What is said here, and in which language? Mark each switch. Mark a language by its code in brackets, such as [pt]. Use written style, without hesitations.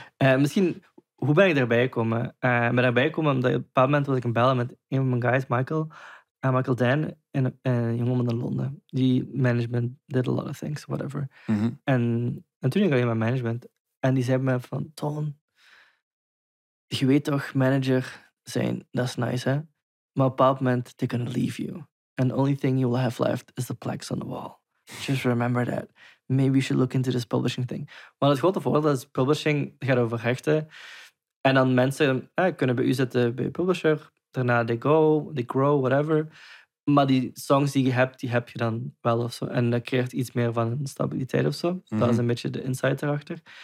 [nl] Ja, misschien, hoe ben ik daarbij gekomen? Ik ben daarbij gekomen omdat op een bepaald moment was ik een bellen met een van mijn guys, Michael Dan, en een jongeman in Londen. Die management [en] did a lot of things, whatever. [nl] En toen ging ik naar management. En die zei me van, Ton, je weet toch, manager zijn, dat is nice, hè? Maar op een bepaald moment, [en] they're gonna leave you. And the only thing you will have left is the plaques on the wall. Just remember that. Maybe you should look into this publishing thing. [nl] Want het grote voordeel is, publishing gaat over rechten. En dan mensen kunnen bij u zitten, bij je publisher. Daarna [en] they go, they grow, whatever. [nl] Maar die songs die heb je dan wel of zo. En dat creëert iets meer van stabiliteit of zo. Dat is een beetje de insight erachter.